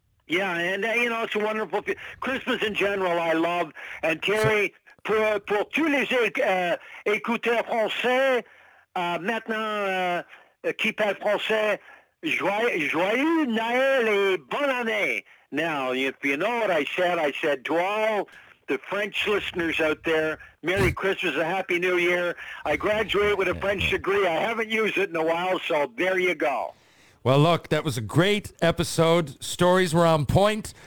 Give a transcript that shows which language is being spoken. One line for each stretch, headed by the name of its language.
English: Yeah, and, you know, it's a wonderful... Christmas in general, I love.
French: And Terry, pour tous les écouteurs français, maintenant... qui parle français, joyeux Noël et bonne année.
English: Now, if you know what I said to all the French listeners out there, Merry Christmas, a Happy New Year. I graduated with a French degree. I haven't used it in a while, so there you go. Well, look, that was a great episode. Stories were on point.